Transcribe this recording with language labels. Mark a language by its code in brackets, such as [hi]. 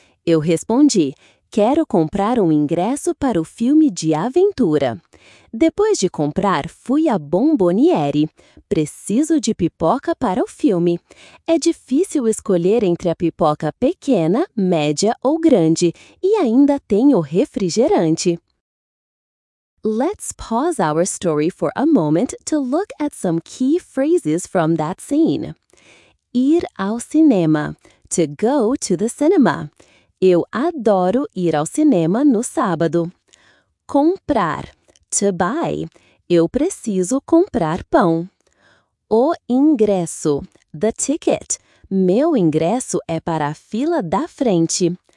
[pt] Eu respondi, quero comprar um ingresso para o filme de aventura. Depois de comprar, fui à Bomboniere. Preciso de pipoca para o filme. É difícil escolher entre a pipoca pequena, média ou grande, e ainda tem o refrigerante. [en] Let's pause our story for a moment to look at some key phrases from that scene. [pt] Ir ao cinema. [en] To go to the cinema. [pt] Eu adoro ir ao cinema no sábado. Comprar. [en] To buy. [pt] Eu preciso comprar pão. O ingresso. [en] The ticket. [pt] Meu ingresso é para a fila da frente.